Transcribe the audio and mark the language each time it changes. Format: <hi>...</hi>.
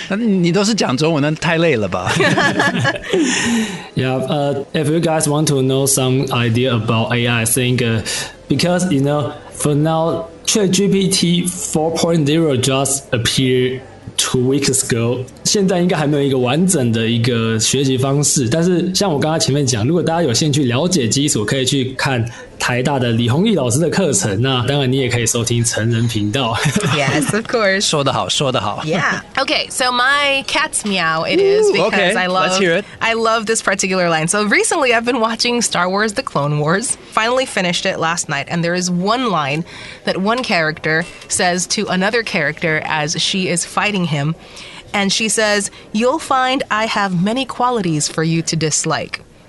<en>Yeah, if you guys want to know some idea about AI, I think because, you know, for now, ChatGPT 4.0 just appeared 2 weeks ago.</en> <zh>现在应该还没有一个完整的一个学习方式，但是像我刚刚前面讲，如果大家有兴趣了解基础，可以去看台大的李弘毅老师的课程，那当然你也可以收听程人频道。</zh> <en>Yes, of course.</en> <zh>说得好，说得好。</zh> <en>Yeah. Okay, so my cat's meow it is because okay, I love let's hear it. I love this particular line. So recently I've been watching Star Wars The Clone Wars, finally finished it last night, and there is one line that one character says to another character as she is fighting him, and she says, "You'll find I have many qualities for you to dislike."</en>